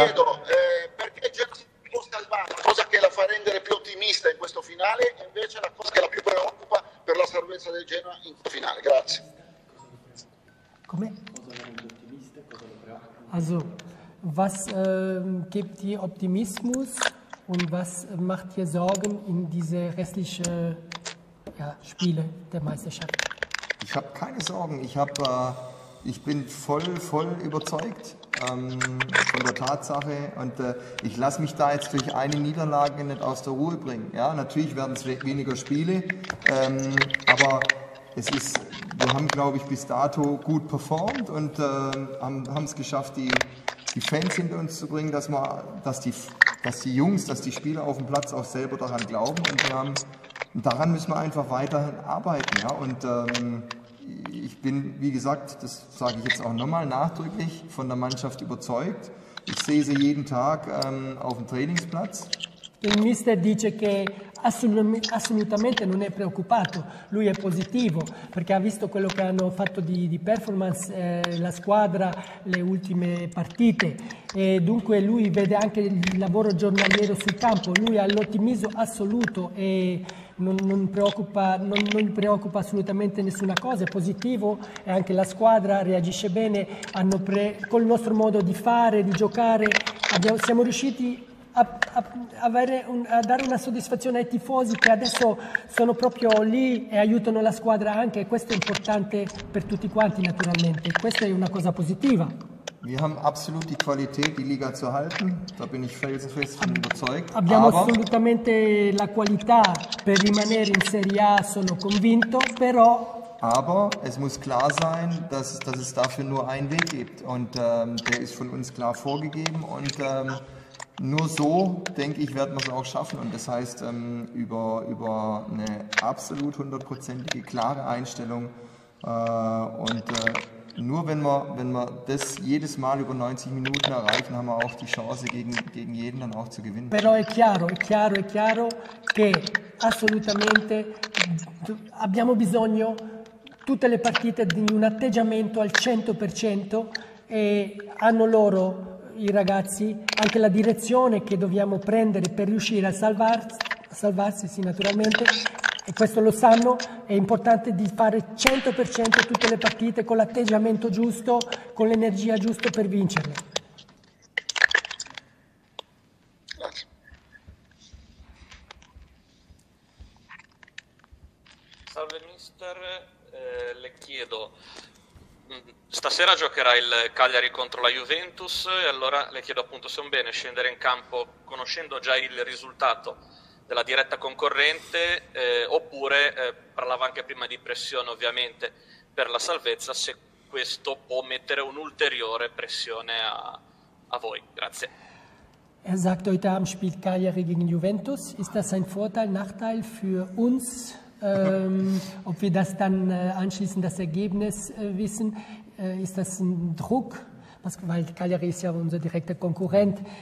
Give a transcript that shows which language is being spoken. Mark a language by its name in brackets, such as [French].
[Italian] Le chiedo perché Gerson non si è salvato, cosa che la fa rendere più ottimista in questo finale e invece la cosa che la più preoccupa per la salvezza del Genoa in finale. Grazie. Come? Cosa la rende ottimista e cosa la preoccupa? [German] Also. Was gibt dir Optimismus und was macht dir Sorgen in diese restlichen Spiele der Meisterschaft? Ich habe keine Sorgen. Ich bin voll überzeugt von der Tatsache und ich lasse mich da jetzt durch eine Niederlage nicht aus der Ruhe bringen. Ja, natürlich werden es weniger Spiele, aber es ist, wir haben, glaube ich, bis dato gut performt und haben es geschafft, die Fans hinter uns zu bringen, dass die Jungs, dass die Spieler auf dem Platz auch selber daran glauben. Und daran müssen wir einfach weiterhin arbeiten. Ja? Und ich bin, wie gesagt, das sage ich jetzt auch nochmal nachdrücklich, von der Mannschaft überzeugt. Ich sehe sie jeden Tag auf dem Trainingsplatz. [Italian] Il mister dice che assolutamente non è preoccupato, lui è positivo perché ha visto quello che hanno fatto di performance la squadra le ultime partite e dunque lui vede anche il lavoro giornaliero sul campo, lui ha l'ottimismo assoluto e non preoccupa assolutamente nessuna cosa, è positivo e anche la squadra reagisce bene, col nostro modo di fare, di giocare, siamo riusciti a dare una soddisfazione ai tifosi che adesso sono proprio lì e aiutano la squadra anche, questo è importante per tutti quanti naturalmente, questa è una cosa positiva. [German] Wir haben absolut die Qualität, die Liga zu halten, da bin ich felsenfest von überzeugt. [Italian] Abbiamo assolutamente la qualità per rimanere in Serie A, sono convinto, però [German] aber es muss klar sein, dass es dafür nur einen Weg gibt und der ist von uns klar vorgegeben und nur so, denke ich, werden wir es auch schaffen und das heißt über eine absolut hundertprozentige, klare Einstellung und nur wenn wir das jedes Mal über 90 Minuten erreichen, haben wir auch die Chance gegen jeden dann auch zu gewinnen. [Italian] Però è chiaro che assolutamente abbiamo bisogno tutte le partite di un atteggiamento al 100% e hanno loro i ragazzi anche la direzione che dobbiamo prendere per riuscire a salvarsi sì naturalmente. E questo lo sanno, è importante di fare 100% tutte le partite con l'atteggiamento giusto, con l'energia giusta per vincerle. Salve mister, le chiedo, stasera giocherà il Cagliari contro la Juventus e allora le chiedo appunto se è un bene scendere in campo conoscendo già il risultato della diretta concorrente, oppure parlava anche prima di pressione ovviamente per la salvezza, se questo può mettere un'ulteriore pressione a voi. Grazie. [German] Er sagt, heute Abend spielt Cagliari gegen Juventus. Ist das ein Vorteil, Nachteil für uns? Ob wir das dann anschließend das Ergebnis wissen? Ist das ein Druck? Weil Cagliari ist ja unser direkter Konkurrent.